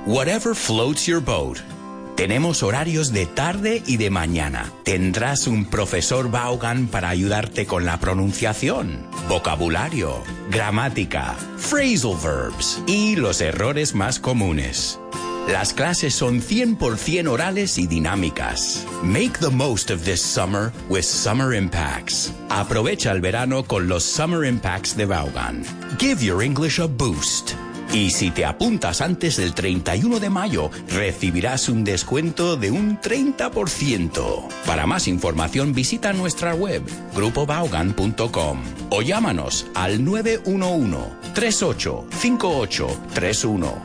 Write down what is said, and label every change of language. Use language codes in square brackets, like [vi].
[en] Whatever floats your boat. [es] Tenemos horarios de tarde y de mañana. Tendrás un profesor Vaughan para ayudarte con la pronunciación, vocabulario, gramática, phrasal verbs y los errores más comunes. Las clases son 100% orales y dinámicas. [en] Make the most of this summer with Summer Impacts. [es] Aprovecha el verano con los Summer Impacts de Vaughan. [en] Give your English a boost. [es] Y si te apuntas antes del 31 de mayo, recibirás un descuento de un 30%. Para más información, visita nuestra web, grupovaughan.com, o llámanos al 911-385831.